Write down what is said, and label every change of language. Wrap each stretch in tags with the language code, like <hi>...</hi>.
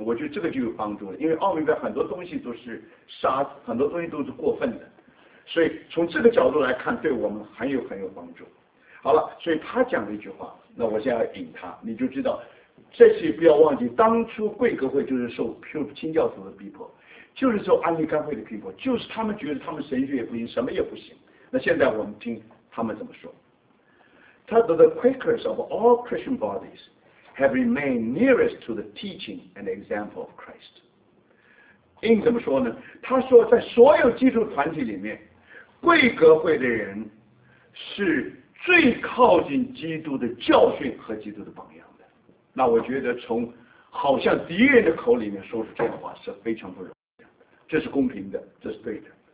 <zh>我觉得这个就有帮助了，因为奥秘派很多东西都是杀，很多东西都是过分的，所以从这个角度来看，对我们很有帮助。好了，所以他讲了一句话，那我现在要引他，你就知道，这些不要忘记，当初贵格会就是受清教徒的逼迫，就是受安利干会的逼迫，就是他们觉得他们神学也不行，什么也不行。那现在我们听。他们怎么说？他说</zh> <en>"The Quakers of all Christian bodies have remained nearest to the teaching and example of Christ."</en> <zh>应怎么说呢？他说，在所有基督团体里面，贵格会的人是最靠近基督的教训和基督的榜样的。那我觉得，从好像敌人的口里面说出这样的话是非常不容易的，这是公平的，这是对的。</zh>